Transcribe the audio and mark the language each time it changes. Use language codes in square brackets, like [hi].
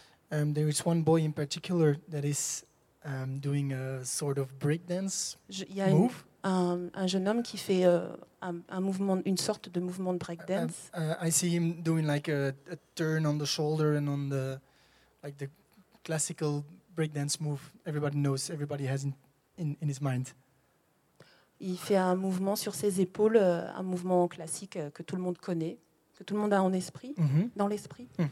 [en] There is one boy in particular that is doing a sort of breakdance move. [fr] Il y a un jeune homme qui fait un mouvement, une sorte de mouvement de breakdance. [en] I see him doing like a turn on the shoulder and on the like the classical breakdance move. Everybody knows, everybody has in his mind. [fr] Il fait un mouvement sur ses épaules, un mouvement classique que tout le monde connaît, que tout le monde a en esprit, dans l'esprit.